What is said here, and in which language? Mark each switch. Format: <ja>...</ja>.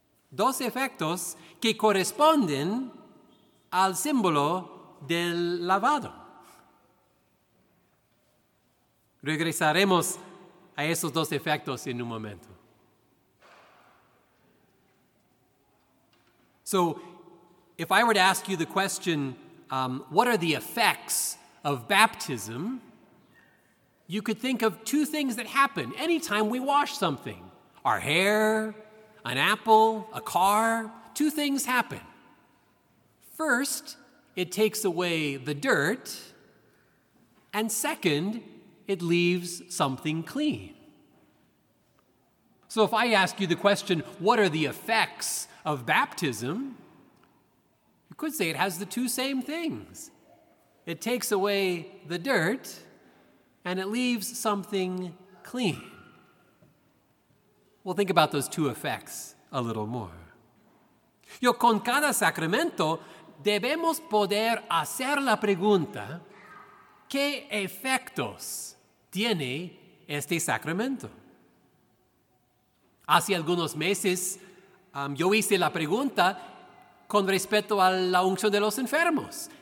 <es>Dos efectos que corresponden al símbolo del lavado. Regresaremos a esos dos efectos en un momento.</es> <en>So, if I were to ask you the question, what are the effects of baptism? You could think of two things that happen anytime we wash something. Our hair, an apple, a car, two things happen. First, it takes away the dirt. And second, it leaves something clean. So if I ask you the question, what are the effects of baptism? You could say it has the two same things. It takes away the dirt, and it leaves something clean. We'll think about those two effects a little more.</en> <es>Yo, con cada sacramento, debemos poder hacer la pregunta, ¿qué efectos tiene este sacramento? Hace algunos meses, yo hice la pregunta con respecto a la unción de los enfermos.</es>